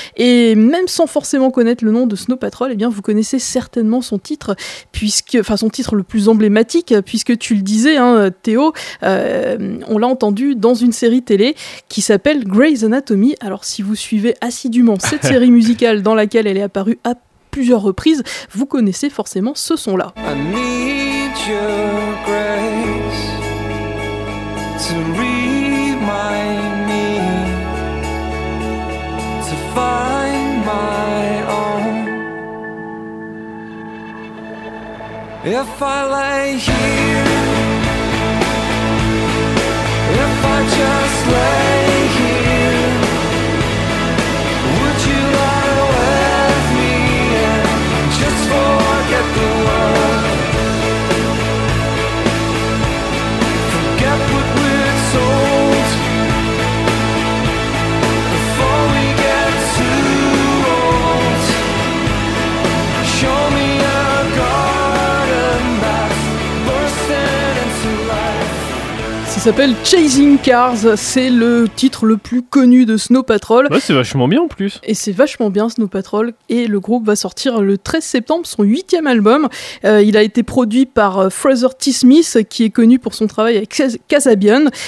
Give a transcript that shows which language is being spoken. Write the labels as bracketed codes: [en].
[fr] Et même sans forcément connaître le nom de Snow Patrol, et bien vous connaissez certainement son titre, le plus emblématique, puisque tu le disais, hein, on l'a entendu dans une série télé qui s'appelle Grey's Anatomy. Alors si vous suivez assidûment cette série musicale dans laquelle elle est apparue à plusieurs reprises, vous connaissez forcément ce son-là. [en] I need your grace to remind me to find my own. If I lay here, if I just lay here, would you lie with me and just forget the world? Forget what we're told before we get too old. Show me a garden that's bursting into life. [fr] Ça s'appelle Chasing Cars, c'est le titre le plus connu de Snow Patrol. Ouais, c'est vachement bien en plus. Et c'est vachement bien Snow Patrol, et le groupe va sortir le 13 septembre son 8e album. Il a été produit par Fraser T. Smith, qui est connu pour son travail avec Kasabian.